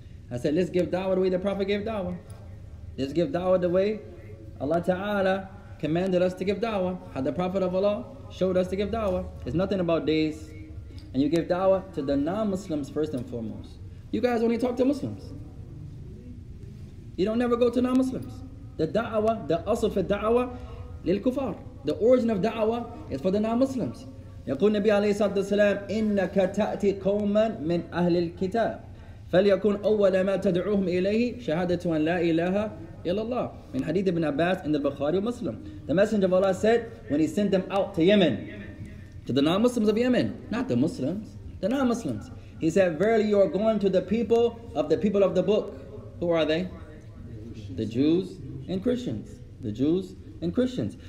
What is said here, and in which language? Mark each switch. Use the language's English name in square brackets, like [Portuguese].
[English] I said, let's give da'wah the way the Prophet gave da'wah. Let's give da'wah the way Allah Ta'ala commanded us to give da'wah, how the Prophet of Allah showed us to give da'wah. It's nothing about days. And you give da'wah to the non-Muslims first and foremost. You guys only talk to Muslims. You don't never go to non-Muslims. The da'wah, the asl fi da'wah lil kufar. The origin of da'wah is for the non-Muslims. [Arabic] يقول النبي عليه الصلاة والسلام إنك تأتي قوما من أهل الكتاب فليكن أول ما تدعوهم إليه شهادة أن لا إله إلا الله من حديث ابن عباس عند البخاري ومسلم. [English] The messenger of Allah said when he sent them out to Yemen, to the non-Muslims of Yemen, not the Muslims, the non-Muslims, he said, verily you are going to the people of the book. Who are they? The Jews and Christians. The Jews and Christians.